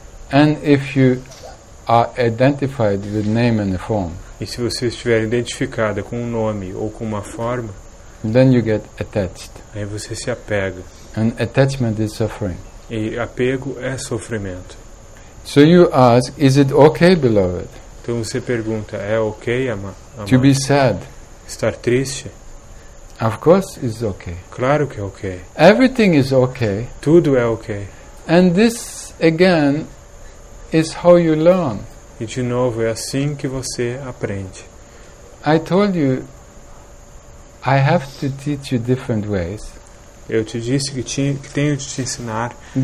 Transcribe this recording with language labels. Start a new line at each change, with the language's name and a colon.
English: And if you are identified with name and form,
Portuguese: e se você estiver identificada com um nome ou com uma forma,
English: then you get attached.
Portuguese: Aí você se apega.
English: And attachment is suffering.
Portuguese: E apego é sofrimento.
English: So you ask, is it okay, beloved?
Portuguese: Então você pergunta, é ok, amado?
English: To be sad.
Portuguese: Estar triste?
English: Of course it's okay.
Portuguese: Claro que é ok.
English: Everything is okay.
Portuguese: Tudo é ok.
English: And this, again, is how you learn.
Portuguese: E de novo, é assim que você aprende.
English: I told you, I have to teach you different ways.
Portuguese: Eu te disse que, que tenho de te ensinar